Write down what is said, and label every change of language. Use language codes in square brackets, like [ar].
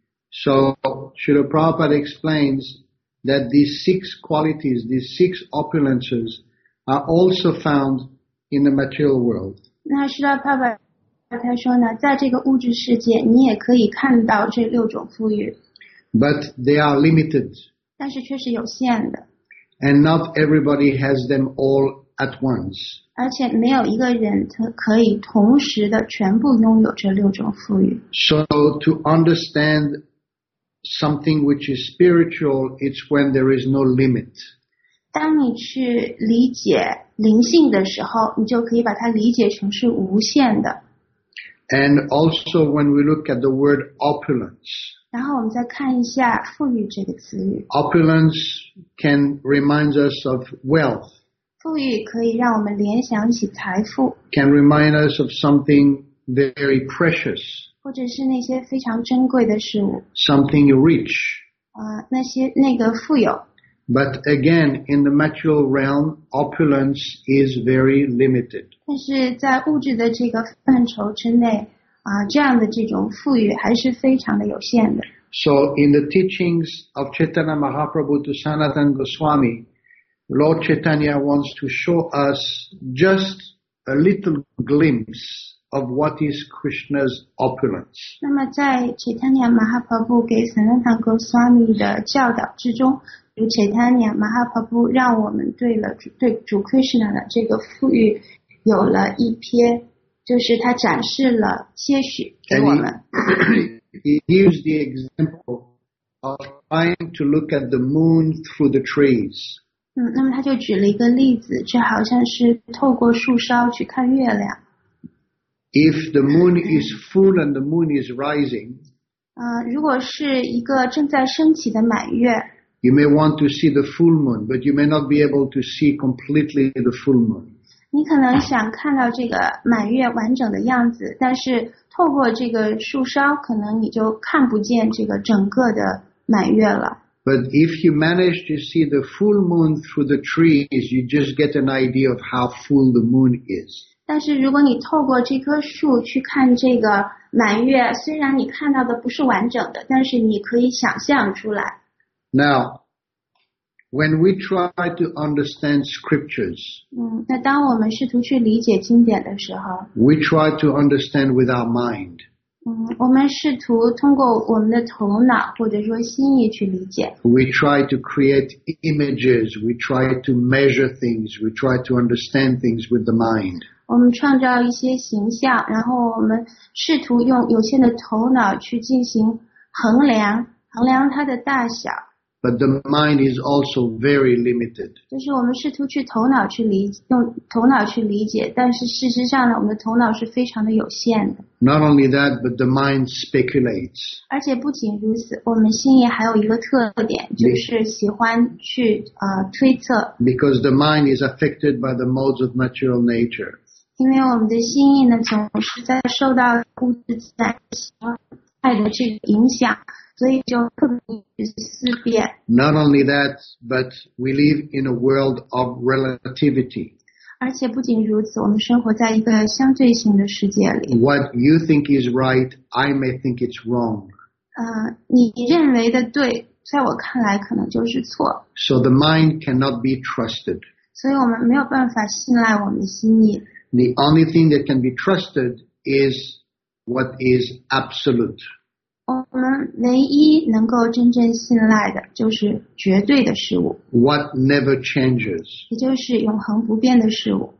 [en] So Srila Prabhupada explains that these six qualities, these six opulences, are also found in the material world. [zh] 那是啊，爸爸，他说呢，在这个物质世界，你也可以看到这六种富裕。 [en] But they are limited. [zh] 但是却是有限的。 [en] And not everybody has them all at once. [zh] 而且没有一个人可以同时的全部拥有这六种富裕。 [en] So to understand something which is spiritual, it's when there is no limit. [zh] 当你去理解灵性的时候，你就可以把它理解成是无限的。 [en] And also, when we look at the word opulence, [zh] 然后我们再看一下富裕这个词语。 [en] Opulence can remind us of wealth. [zh] 富裕可以让我们联想起财富。 [en] Can remind us of something very precious. [zh] 或者是那些非常珍贵的事物。 [en] Something you reach. [zh] 那个富有。 [en] But again, in the material realm, opulence is very limited. [zh] 但是在物质的这个范畴之内，这样的这种富裕还是非常的有限的。 [en] So in the teachings of Chaitanya Mahaprabhu to Sanatana Goswami, Lord Chaitanya wants to show us just a little glimpse of what is Krishna's opulence. [zh] 那么在 Chaitanya Mahaprabhu 给 Sanatana Goswami 的教导之中，Chaitanya Mahaprabhu 让我们对主 Krishna 的这个富裕有了一瞥，就是他展示了些许给我们。 [en] He gives the example of trying to look at the moon through the trees. [zh] 那么他就举了一个例子，这好像是透过树梢去看月亮。 [en] If the moon is full and the moon is rising, [zh] 如果是一个正在升起的满月。 [en] You may want to see the full moon, but you may not be able to see completely the full moon. [zh] 你可能想看到这个满月完整的样子，但是透过这个树梢，可能你就看不见这个整个的满月了。 [en] But if you manage to see the full moon through the trees, you just get an idea of how full the moon is. [zh] 但是如果你透过这棵树去看这个满月，虽然你看到的不是完整的，但是你可以想象出来。 [en] Now, when we try to understand scriptures, [zh] 那当我们试图去理解经典的时候， [en] we try to understand with our mind. [zh] 我们试图通过我们的头脑或者说心意去理解。 [en] We try to create images, we try to measure things, we try to understand things with the mind. [zh] 我们创造一些形象，然后我们试图用有限的头脑去进行衡量。衡量它的大小。 [en] But the mind is also very limited. [zh] 就是我们试图去头脑去理用头脑去理解，但是事实上呢，我们的头脑是非常的有限的。 [en] Not only that, but the mind speculates. [zh] 而且不仅如此，我们心也还有一个特点，就是喜欢去推测。 [en] Because the mind is affected by the modes of material nature. [zh] 因为我们的心意呢，总是在受到物质自然爱的这个影响。 [en] Not only that, but we live in a world of relativity. [zh] 而且不仅如此，我们生活在一个相对性的世界里。 [en] What you think is right, I may think it's wrong. [zh] 你认为的对，在我看来可能就是错。 [en] So the mind cannot be trusted. [zh] 所以我们没有办法信赖我们的心意。 [en] The only thing that can be trusted is what is absolute. [zh] 我们唯一能够真正信赖的就是绝对的事物。 [en] What never changes. [zh] 也就是永恒不变的事物。